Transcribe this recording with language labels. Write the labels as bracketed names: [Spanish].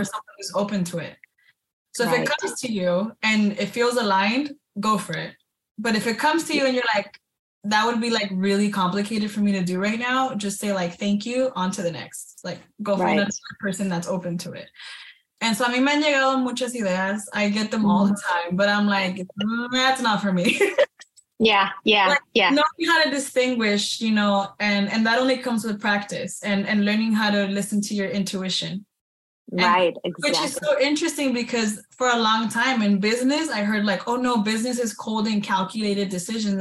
[English] for someone who's open to it. So right. If it comes to you and it feels aligned, go for it. But if it comes to you and you're like, that would be like really complicated for me to do right now, just say like, thank you, on to the next. Like, go find right. another person that's open to it. And so [Spanish] a mí me han llegado muchas ideas. [English] I get them all the time, but I'm like, that's not for me. Yeah. Knowing how to distinguish, you know, and that only comes with practice and learning how to listen to your intuition. Right, exactly. Which is so interesting because for a long time in business, I heard like, oh no, business is cold and calculated decisions.